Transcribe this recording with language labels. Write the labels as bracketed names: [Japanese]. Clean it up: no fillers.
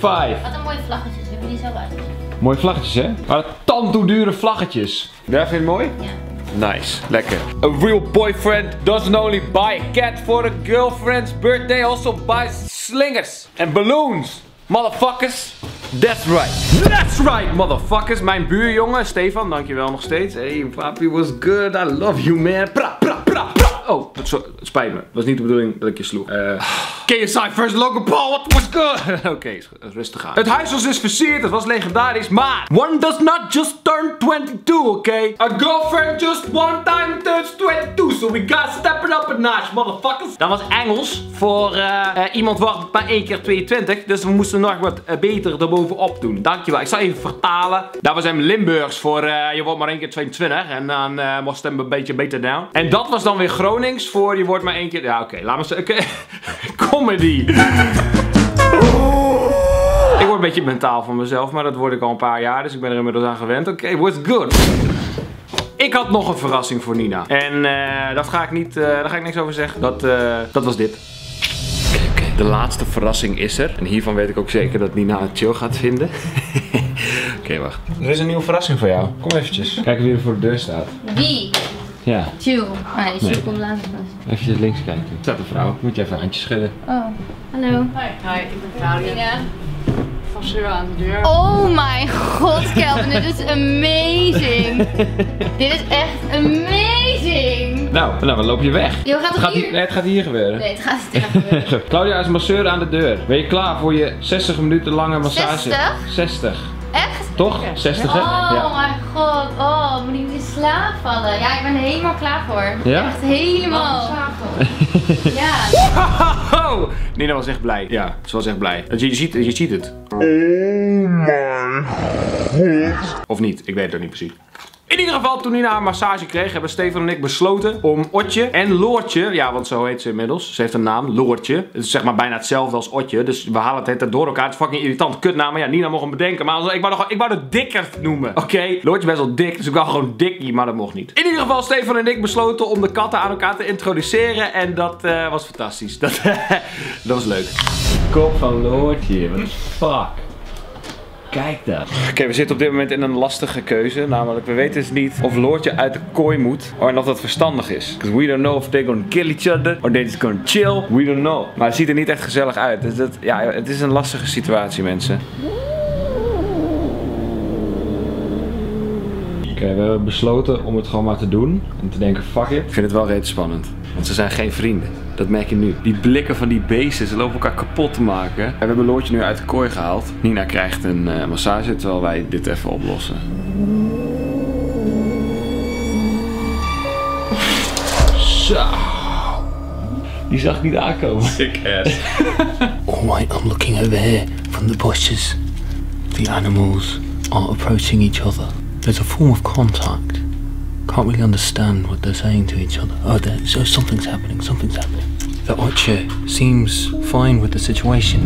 [Dutch] Wat een mooie vlaggetjes. Hebben die zo vlaggetjes, hè? Maar het tandoe dure vlaggetjes. Dat vind je mooi? Ja. Nice. Lekker. [English] A real boyfriend doesn't only buy a cat for a girlfriend's birthday. Also buys slingers. And balloons. Motherfuckers. That's right. That's right, motherfuckers. [Dutch] Mijn buurjongen, Stefan, dankjewel nog steeds. [English] Hey, papi was good. I love you, man. Pra, pra, pra, pra. Oh, spijt me. [Dutch] Het was niet de bedoeling dat ik je sloeg. [English] KSI vs. Logan Paul, what was good? [Dutch] Oké, rustig aan. Het huis was dus versierd, het was legendarisch, maar... [English] One does not just turn 22, okay? A girlfriend just one time turns 22, so we got stepping up a notch, motherfuckers. [Dutch] Dat was Engels voor iemand wacht maar 1 keer 22, dus we moesten nog wat beter erbovenop doen. Dankjewel, ik zal even vertalen. Dat was hem Limburgs voor je wordt maar 1 keer 22 en dan was het hem een beetje beter down. En dat was dan weer Gronings voor je wordt maar 1 keer... Ja, oké, laat me zeggen. Comedy. Ik word een beetje mentaal van mezelf, maar dat word ik al een paar jaar, dus ik ben er inmiddels aan gewend. Oké, okay, [English] what's good? [Dutch] Ik had nog een verrassing voor Nina. En dat ga ik niet, daar ga ik niks over zeggen. Dat was dit. Oké, okay. De laatste verrassing is er. En hiervan weet ik ook zeker dat Nina het chill gaat vinden. Oké, wacht. Er is een nieuwe verrassing voor jou. Kom eventjes. Kijk wie er voor de deur staat. Wie? Ja. Chill. Nee, chill, kom later pas. Even links kijken. Staat een vrouw. Moet je even een handje schudden. Oh, hallo. Hi, ik ben Claudia. Van Sura aan de deur. [English] Oh my god, [Dutch] Kelvin, dit is amazing. Dit is echt amazing. Nou, dan loop je weg. Yo, gaat hier? Nee, het gaat hier gebeuren. Nee, het gaat hier gebeuren. Claudia is masseur aan de deur. Ben je klaar voor je 60 minuten lange massage? 60? 60. Echt? Toch? Okay. 60, Hè? Oh ja. Mijn god, oh, moet ik in slaap vallen? Ja, ik ben er helemaal klaar voor. Ja? Echt helemaal. Ik ben Nina was echt blij. Ja, ze was echt blij. Je ziet het. [English] Oh my god. [Dutch] Of niet, ik weet het ook niet precies. In ieder geval, toen Nina haar massage kreeg, hebben Stefan en ik besloten om Otje en Loortje, ja, want zo heet ze inmiddels, ze heeft een naam, Loortje. Het is zeg maar bijna hetzelfde als Otje, dus we halen het door elkaar. Het is fucking irritant, kutnaam, maar ja, Nina mocht hem bedenken, maar ik wou het dikker noemen, oké? Okay? Loortje best wel dik, dus ik wou gewoon dikkie, maar dat mocht niet. In ieder geval, Stefan en ik besloten om de katten aan elkaar te introduceren en dat was fantastisch. Dat was leuk. Kop van Loortje, [English] what the fuck? [Dutch] Kijk daar. Oké, we zitten op dit moment in een lastige keuze. Namelijk, we weten dus niet of Loortje uit de kooi moet. En of dat verstandig is. [English] Because we don't know if they're gonna kill each other. Or they're just gonna chill. We don't know. [Dutch] Maar het ziet er niet echt gezellig uit. Het is een lastige situatie, mensen. Oké, we hebben besloten om het gewoon maar te doen. En te denken, fuck it. Ik vind het wel reeds spannend. Want ze zijn geen vrienden. Dat merk je nu. Die blikken van die beesten, ze lopen elkaar kapot te maken. En we hebben Loortje nu uit de kooi gehaald. Nina krijgt een massage terwijl wij dit even oplossen. Zo. Die zag ik niet aankomen. [English] Sick ass. Oh my, I'm looking over here from the bushes. The animals are approaching each other. There's a form of contact. Can't really understand what they're saying to each other. Oh, so something's happening, something's happening. The Otje seems fine with the situation.